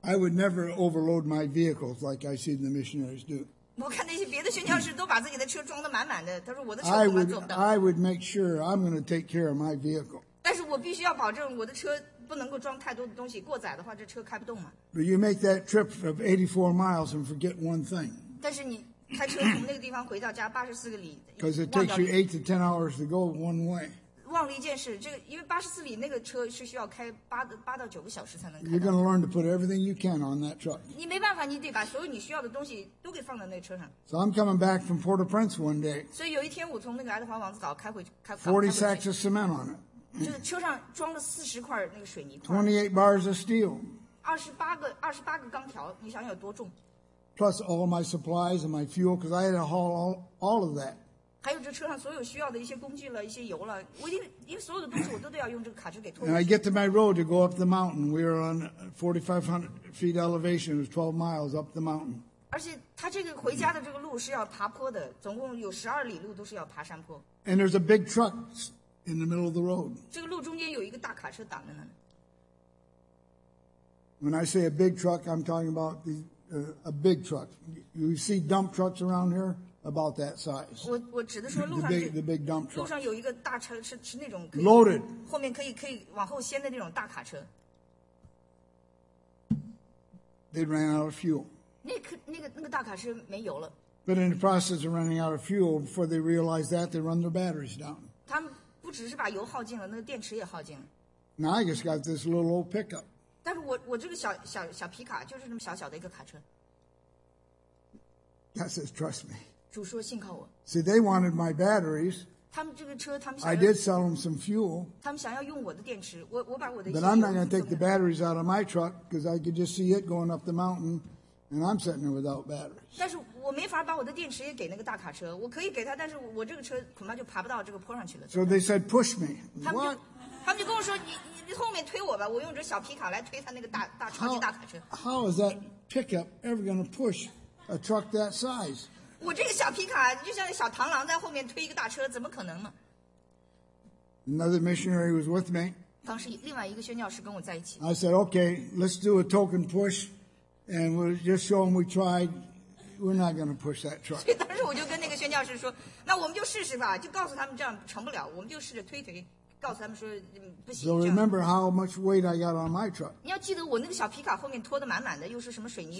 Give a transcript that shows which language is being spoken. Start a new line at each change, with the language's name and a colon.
English: I would never overload my vehicles like I see the missionaries do.
Chinese: 我看那些别的宣教士都把自己的车装得满满的，他说我的车从来做不到。
English: I would make sure I'm going to take care of my vehicle.
Chinese: 但是我必须要保证我的车不能够装太多的东西，过载的话这车开不动嘛。
English: But you make that trip of 84 miles and forget one thing.
Chinese: 但是你开车从那个地方回到家84个里。
English: Because it takes you 8 to 10 hours to go one way.
Chinese: 忘了一件事，这个因为84里那个车是需要开 8到9个小时才能开。
English: You're going to learn to put everything you can on that truck.
Chinese: 你没办法，你得把所有你需要的东西都给放在那车上。
English: So I'm coming back from Port-au-Prince one day.
Chinese: 所以有一天我从那个爱德华王子岛开回去。
English: 40 sacks of cement on it.
Chinese: 车上装了40块那个水泥块。
English: 28 bars of steel.
Chinese: 28个钢条，你想有多重。
English: Plus all my supplies and my fuel, because I had to haul all of that.
Chinese: 还有这车上所有需要的一些工具了，一些油了，我因为所有的东西我都要用这个卡车给拖。
English: And I get to my road to go up the mountain. We are on 4,500 feet elevation. It was 12 miles up the mountain.
Chinese: 而且他这个回家的这个路是要爬坡的，总共有12里路都是要爬山坡。
English: And there's a big truck. In the middle of the road.
Chinese: 这个路中间有一个大卡车挡着呢。
English: When I say a big truck, I'm talking about a big truck. You see dump trucks around here about that size.
Chinese: 我指的说路上
English: the big dump truck.
Chinese: 路上有一个大车是那种
English: loaded.
Chinese: 后面可以往后掀的那种大卡车。
English: They ran out of fuel.
Chinese: 那个大卡车没油了。
English: But in the process of running out of fuel, before they realize that, they run their batteries down.
Chinese: 他们不只是把油耗尽了，那个电池也耗尽了。
English: Now I just got this little old pickup.
Chinese: 但是我这个小皮卡就是那么小小的一个卡车。
English: God says, trust me.
Chinese: 主说信靠我。
English: See, they wanted my batteries.
Chinese: 他们这个车，他们。
English: I did sell them some fuel.
Chinese: 他们想要用我的电池，我把我的。
English: But I'm not going to take the batteries out of my truck because I could just see it going up the mountain, and I'm sitting there without batteries.
Chinese: 但是我没法把我的电池也给那个大卡车，我可以给他，但是我这个车恐怕就爬不到这个坡上去了。
English: So they said, push me.
Chinese: 他们就跟我说，你后面推我吧，我用这小皮卡来推他那个大超级大卡车。
English: How is that pickup ever going to push a truck that size?
Chinese: 我这个小皮卡就像小螳螂在后面推一个大车，怎么可能呢？
English: Another missionary was with me.
Chinese: 当时另外一个宣教士跟我在一起。
English: I said, okay, let's do a token push, and we'll just show them we tried. We're not going to push that truck.
Chinese: 所以当时我就跟那个宣教士说，那我们就试试吧，就告诉他们这样成不了，我们就试着推，告诉他们说不行。
English: So remember how much weight I got on my truck.
Chinese: 你要记得我那个小皮卡后面拖得满满的，又是什么水泥。